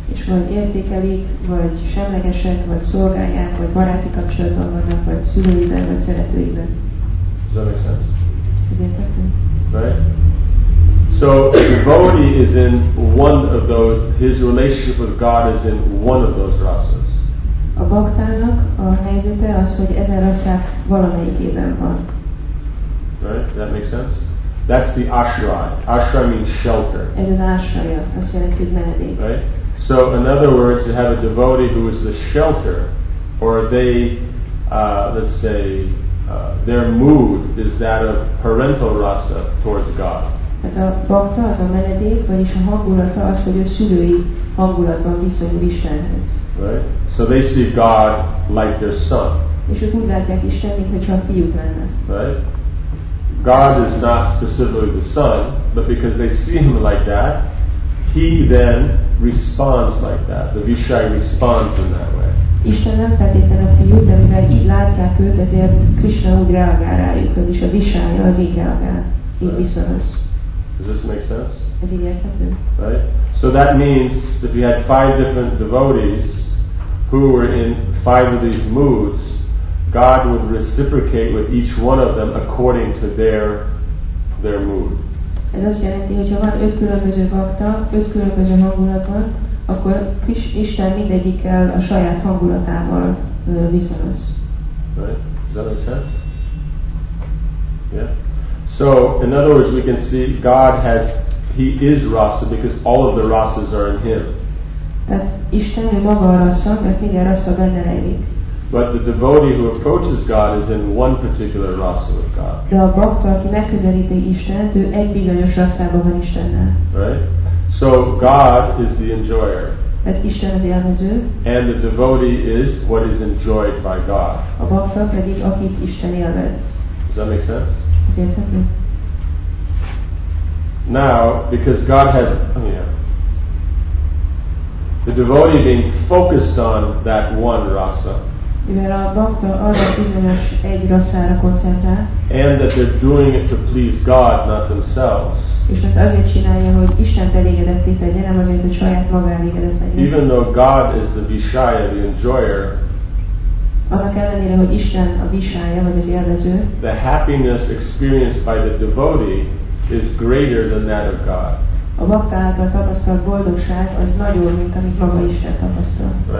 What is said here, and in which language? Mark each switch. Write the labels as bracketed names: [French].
[Hungarian] És vagy értékelik, vagy semlegesek, vagy szolgálják, vagy baráti kapcsolatban vannak, vagy szülőivel, vagy szeretőivel. [English] Does that make sense? [Hungarian] Ezért tettem. [English] Right? So, a devotee is in one of those, his relationship with God is in one of those rasas. [Hungarian] A baktának a helyzete az, hogy ezen rasszák valamelyikében van. [English] Right? That makes sense? That's the ashray. Ashray means shelter. [Hungarian] Ez az ashraya, azt jelenti, hogy menedék. [English] Right? So, in other words, you have a devotee who is the shelter, or they, let's say, their mood is that of parental rasa towards God. [Hungarian] Tehát a bhakta az a menedék, vagyis a hangulata az, hogy a szülői hangulatban viszonyul Istenhez. [English] Right? So they see God like their son. [Hungarian] És ők úgy látják Isten, mintha a fiúk lenne. [English] Right? God is not specifically the son, but because they see him like that, he then responds like that. The Vishai responds in that way. [Hungarian] Isten nem feltétlen a fiú, de mivel így látják őt, ezért Krishna úgy reagál rájuk, vagyis a Vishai az így reagál, így viszonyoz. [English] Does this make sense? [Hungarian] Ez így érthető. [English] Right? So that means if you had five different devotees who were in five of these moods, God would reciprocate with each one of them according to their mood. [Hungarian] Ez azt jelenti, hogy ha van öt különböző bhakta, öt különböző hangulatban, akkor Isten mindegyikkel a saját hangulatával viszonyoz. [English] Right? Does that make sense? Yeah. So, in other words, we can see God has, he is rasa because all of the rasas are in him. [Hungarian] Tehát Isten maga a rasa, mert minden rasa benne rejlik. [English] But the devotee who approaches God is in one particular rasa with God. [Hungarian] De a bhakta, aki megközelíti Istent, ő egy bizonyos rasszában van Istennel. [English] Right? So God is the enjoyer. [Hungarian] Tehát Isten az élvező. [English] And the devotee is what is enjoyed by God. [Hungarian] A bhakta pedig, akit Isten élvez. [English] Does that make sense? [Hungarian] Ez érthető. [English] Now, because God has... Oh yeah. The devotee being focused on that one rasa. [Hungarian] Mivel a bhakta arra bizonyos egy rasszára koncentrál. [English] And that they're doing it to please God, not themselves. [Hungarian] És mert azért csinálja, hogy Isten elégedetté tegye, nem azért, hogy saját maga elégedett legyen. [English] Even though God is the Vishaya, the enjoyer. [Hungarian] Annak ellenére, hogy Isten a Vishaya, vagy az élvező. [English] The happiness experienced by the devotee is greater than that of God. [Hungarian] A bhakta által tapasztalt boldogság az nagyobb, mint amit maga Isten tapasztal.